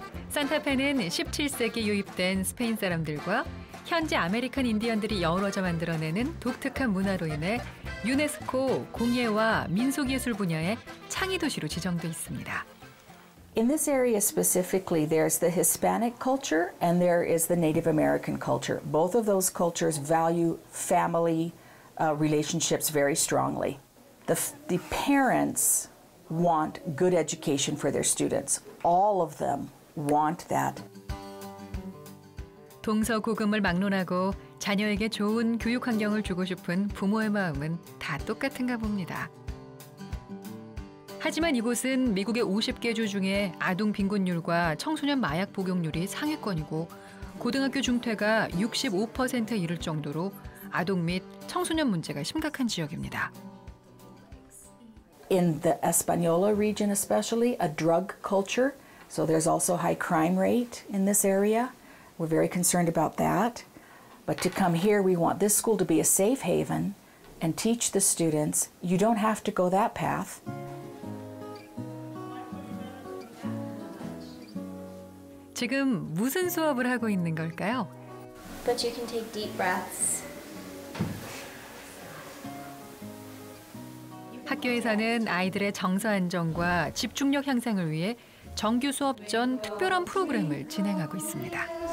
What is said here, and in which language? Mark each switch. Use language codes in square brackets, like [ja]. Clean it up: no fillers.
[ko] 산타페는 17세기 유입된 스페인 사람들과 현지 아메리칸 인디언들이 어우러져 만들어내는 독특한 문화로 인해 유네스코 공예와 민속예술 분야의 창의 도시로 지정돼 있습니다. [en] In this area specifically, there's the Hispanic culture and there is the Native American culture. Both of those cultures value family relationships very strongly. The parents want good education for their students. All of them want that. [ko] 동서고금을 막론하고 자녀에게 좋은 교육 환경을 주고 싶은 부모의 마음은 다 똑같은가 봅니다. 하지만 이곳은 미국의 50개 주 중에 아동 빈곤율과 청소년 마약 복용률이 상위권이고 고등학교 중퇴가 65%에 이를 정도로 아동 및 청소년 문제가 심각한 지역입니다. [en] In the Española region especially, a drug culture. So there's also high crime rate in this area. We're very concerned about that. But to come here, we want this school to be a safe haven and teach the students, you don't have to go that path. [ko] 지금 무슨 수업을 하고 있는 걸까요? [en] But you can take deep breaths. [ko] 학교에서는 아이들의 정서 안정과 집중력 향상을 위해 정규 수업 전 특별한 프로그램을 진행하고 있습니다.